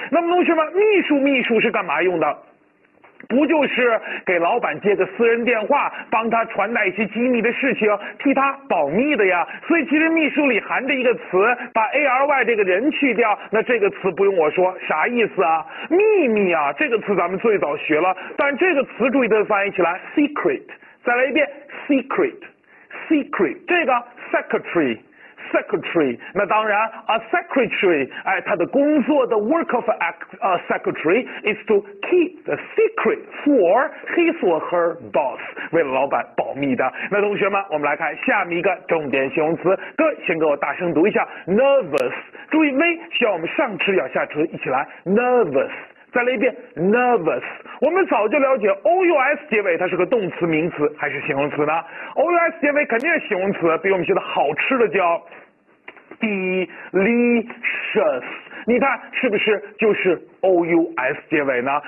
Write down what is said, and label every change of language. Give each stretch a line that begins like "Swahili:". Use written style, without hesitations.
Chinese: 那么同学们，秘书是干嘛用的？不就是给老板接个私人电话，帮他传达一些机密的事情，替他保密的呀。所以其实秘书里含着一个词，把 ary 这个人去掉，那这个词不用我说啥意思啊，秘密啊。这个词咱们最早学了，但这个词注意的翻译起来 secret， 再来一遍 secret， secret， 这个secretary， 那当然 a secretary， 哎，他的工作
English: the work of a secretary is to keep the secret for his or her boss，
Chinese: 为了老板保密的。那同学们，我们来看下面一个重点形容词，各位先给我大声读一下 nervous， 注意 V 需要我们上齿咬下齿，一起来 nervous。再来一遍 nervous， 我们早就了解 ous 结尾它是个动词、名词还是形容词呢？ ous 结尾肯定是形容词，比我们学的好吃的叫 delicious， 你看是不是就是OUS 结尾呢？